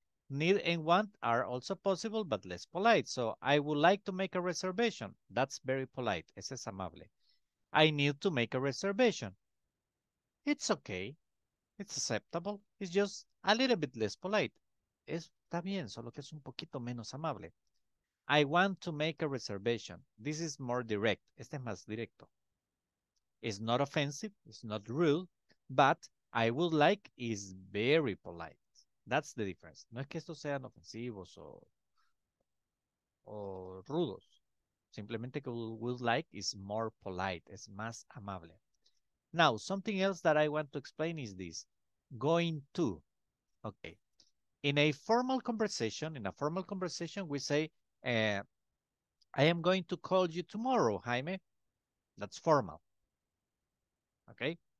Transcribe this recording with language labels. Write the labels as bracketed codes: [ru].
[en] Need and want are also possible, but less polite. So I would like to make a reservation. That's very polite. [es] Ese es amable. [en] I need to make a reservation. It's okay. It's acceptable. It's just a little bit less polite. [es] Está bien, solo que es un poquito menos amable. [en] I want to make a reservation. This is more direct. [es] Este es más directo. [en] It's not offensive. It's not rude. But I would like is very polite. That's the difference. [es] No es que estos sean ofensivos o rudos. Simplemente que [en] would like is more polite. [es] Es más amable. [en] Now, something else that I want to explain is this. Going to. Okay. In a formal conversation, we say, I am going to call you tomorrow, Jaime. That's formal. Okay.